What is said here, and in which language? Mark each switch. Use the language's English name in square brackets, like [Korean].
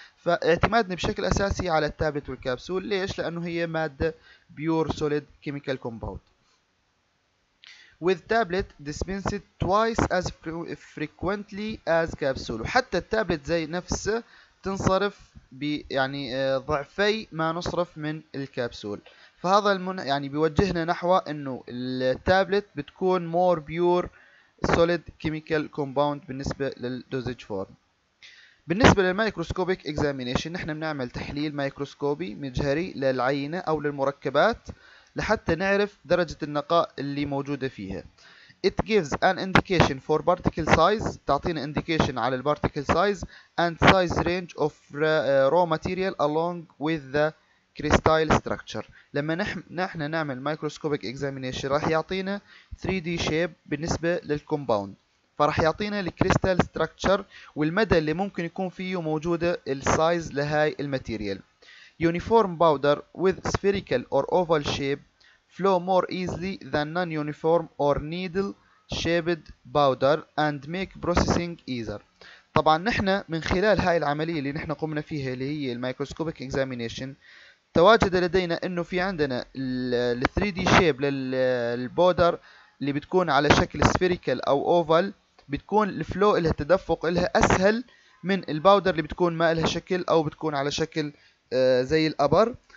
[Arabic] فاعتمادنا بشكل أساسي على التابلت والكابسول، ليش؟ لأنه هي مادة [English] Pure solid chemical compound. With tablet dispensed twice as frequently as capsule. [Arabic] وحتى التابلت زي نفسه تنصرف يعني ضعفي ما نصرف من الكابسول. فهذا يعني بيوجهنا نحو أنه التابلت بتكون [English] more pure solid chemical compound [Arabic] بالنسبة للدوزج فورم. بالنسبة للمايكروسكوبيك examination نحن بنعمل تحليل مايكروسكوبي مجهري للعينة أو للمركبات لحتى نعرف درجة النقاء اللي موجودة فيها. [English] It gives an indication for particle size، تعطينا indication على particle size and size range of raw material along with the crystal structure. [Arabic] لما نحن نعمل microscopic examination راح يعطينا 3D shape بالنسبة للكومباوند، فراح يعطينا الكريستال ستراكشر والمدى اللي ممكن يكون فيه موجودة السايز لهاي الماتيريال. [English] Uniform powder with spherical or oval shape flow more easily than non-uniform or needle shaped powder and make processing easier. [Arabic] طبعا نحن من خلال هاي العملية اللي نحن قمنا فيها اللي هي microscopic examination تواجد لدينا انه في عندنا ال 3D shape للبودر اللي بتكون على شكل spherical او oval، بتكون الفلو لها التدفق لها اسهل من الباودر اللي بتكون ما لها شكل او بتكون على شكل زي الابر.